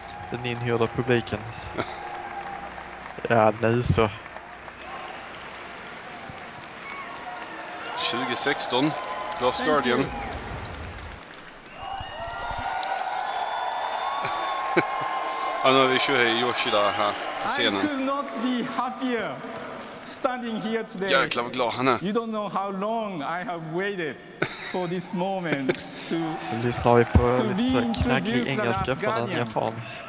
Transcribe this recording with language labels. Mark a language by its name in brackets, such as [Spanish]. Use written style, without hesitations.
[Swedish] Den inhyrda publiken. Ja, nu så. 2016, Last Guardian. Han har vi Shuhei Yoshida här på scenen. [English] I could not be happier standing here today. [Swedish] Jäklar vad glad han är. [English] You don't know how long I have waited for this moment to [Swedish] så lyssnar vi på lite så knacklig engelska på den japan.